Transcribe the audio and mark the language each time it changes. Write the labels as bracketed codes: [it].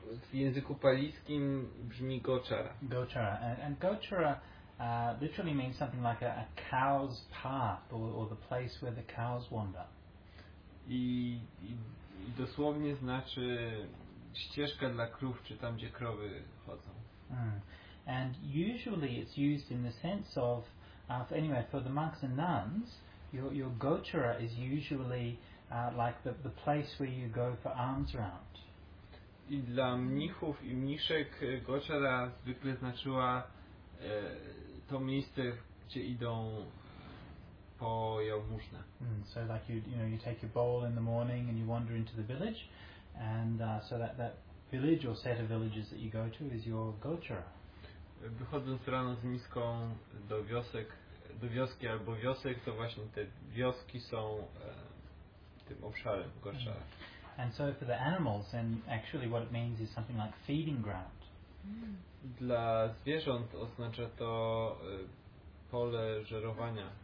[pl] W języku palijskim brzmi gochara. Gochara. [en] And gochara literally means something like a cow's path or the place where the cows wander. [pl] I dosłownie znaczy ścieżka dla krów, czy tam, gdzie krowy chodzą. [en] And usually it's used in the sense of, anyway, for the monks and nuns, your gochara is usually like the place where you go for alms round. [pl] I dla mnichów i mniszek gochara zwykle znaczyła to miejsce, gdzie idą po jałmużnę. [en] So like you take your bowl in the morning and you wander into the village, and so that village or set of villages that you go to is your gochara. [pl] Wychodząc rano z miską do wioski albo wiosek, to właśnie te wioski są tym obszarem gochara. [en] And so for the animals, then actually what it means is something like feeding ground. [pl] Dla zwierząt oznacza to pole żerowania.